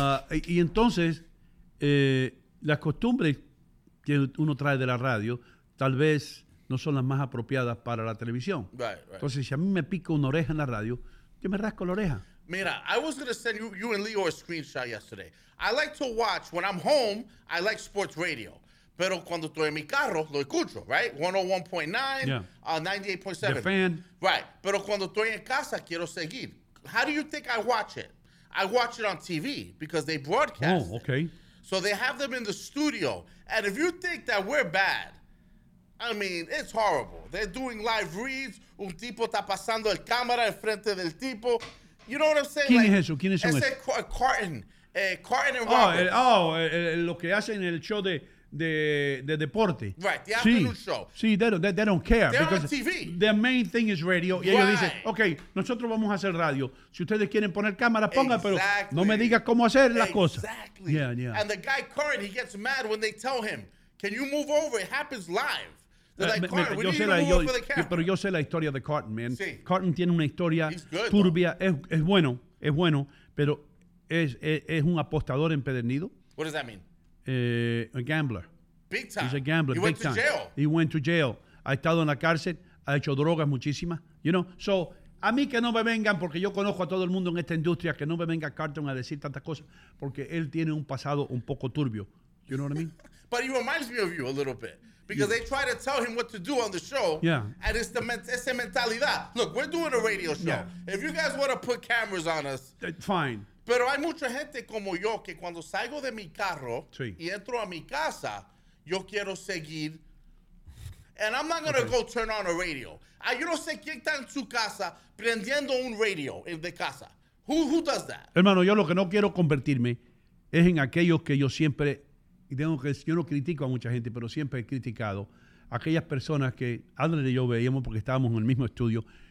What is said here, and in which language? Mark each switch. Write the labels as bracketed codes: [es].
[es] Y entonces, las costumbres que uno trae de la radio tal vez no son las más apropiadas para la televisión. [en] Right. [es] Entonces, si a mí me pica una oreja en la radio, yo me rasco la oreja. Mira, [en] I was going to send you and Leo a screenshot yesterday. I like to watch, when I'm home, I like sports radio. [es] Pero cuando estoy en mi carro, lo escucho, right? [en] 101.9, yeah. 98.7. The Fan. Right. [es] Pero cuando estoy en casa, quiero seguir. [en] How do you think I watch it? I watch it on TV because they broadcast. Oh, okay. It. So they have them in the studio. And if you think that we're bad, I mean, it's horrible. They're doing live reads. [es] Un tipo está pasando el cámara en frente del tipo. [en] You know what I'm saying? [es] ¿Quién like, es eso? ¿Quién es eso? Es Carton and Robert. Lo que hacen en el show de... de deporte. [en] Right, the afternoon show. [es] Sí, [en] they don't care. They're on TV. The main thing is radio. [es] Y ellos dicen, ok, nosotros vamos a hacer radio. Si ustedes quieren poner cámara, pongan, pero no me digas cómo hacer las cosas. [en] Exactly. Yeah, yeah. And the guy, Curran, he gets mad when they tell him, can you move over? It happens live. [es] Pero yo sé la historia de Carton, man. Sí. Carton tiene una historia turbia. Es bueno, pero es un apostador empedernido. [en] What does that mean? A gambler. Big time. He's a gambler. He went to jail. He went to jail. [es] Ha estado en la cárcel. Ha hecho drogas muchísimas. [en] You know? [es] So, a mí que no me vengan, porque yo conozco a todo el mundo en esta industria, que no me venga Carton a decir tantas cosas, porque él tiene un pasado un poco turbio. [en] You know what I mean? But he reminds me of you a little bit. Because they try to tell him what to do on the show. Yeah. And it's the mentalidad. Look, we're doing a radio show. Yeah. If you guys want to put cameras on us. Fine. [es] Pero hay mucha gente como yo que cuando salgo de mi carro y entro a mi casa, yo quiero seguir. [en] And I'm not going to go turn on a radio. [es] Yo no sé quién está en su casa prendiendo un radio en de casa. [en] Who does that? [es] Hermano, yo lo que no quiero convertirme es en aquellos que yo siempre... Y tengo que decir, yo no critico a mucha gente, pero siempre he criticado a aquellas personas que Adler y yo veíamos porque estábamos en el mismo estudio.